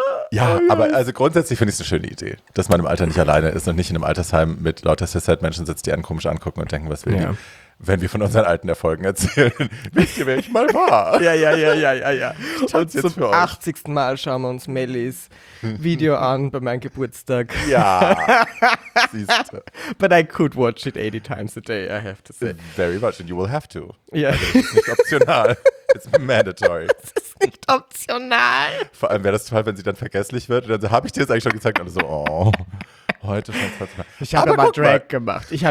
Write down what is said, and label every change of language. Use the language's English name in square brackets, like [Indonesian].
[German] Ja, aber also grundsätzlich finde ich es eine schöne Idee, dass man im Alter nicht alleine ist und nicht in einem Altersheim mit lauter Cis-Menschen sitzt, die einen komisch angucken und denken, was will die, wenn wir von unseren alten Erfolgen erzählen. Wisst ihr, wer ich mal war? Ja. Und zum 80. Mal schauen wir uns Mellis Video an bei meinem Geburtstag. Ja, siehst du. [English] But I could watch it 80 times a day, I have to say. Very much, and you will have to. [German] Ja. Also, nicht optional. [English] It's mandatory. [German] Das ist nicht optional. Vor allem wäre das toll, wenn sie dann vergesslich wird. Und dann so, habe ich dir das eigentlich schon gezeigt? Und so, oh, heute schon. Ich habe ja mal Drag gemacht.